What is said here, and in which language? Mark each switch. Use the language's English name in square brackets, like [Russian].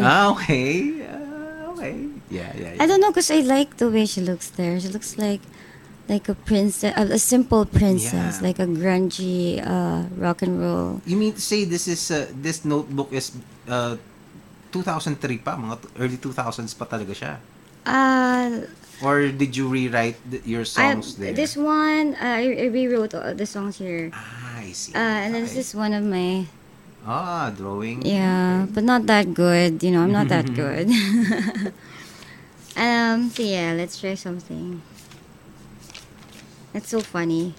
[English] Okay. Yeah. I don't know because I like the way she looks there. She looks like a princess, a simple princess. Yeah. Like a grungy rock and roll. You mean to say this is this notebook is 2003 pa? [Filipino] Mga early 2000s pa talaga siya? [English] Or did you rewrite your songs there? This one, I rewrote all the songs here. Ah, I see. This is one of my... Ah, drawing. Yeah, okay. But not that good. I'm not that good. So yeah, let's try something. That's so funny.